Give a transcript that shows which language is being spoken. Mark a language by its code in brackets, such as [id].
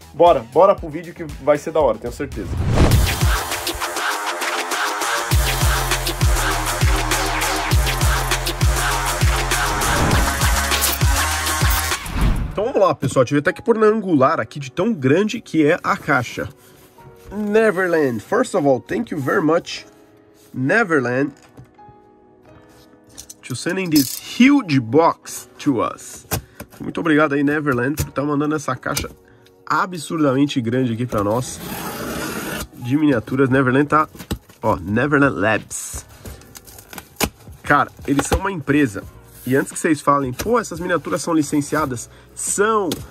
[pt] Bora pro vídeo que vai ser da hora, tenho certeza. Olá pessoal, tive até que pôr na angular aqui de tão grande que é a caixa. [en] Neverland, first of all, thank you very much, Neverland, to sending this huge box to us. [pt] Muito obrigado aí, Neverland, por estar mandando essa caixa absurdamente grande aqui para nós, de miniaturas. Neverland tá, ó, Neverland Labs. Cara, eles são uma empresa. E antes que vocês falem, pô, essas miniaturas são licenciadas? São.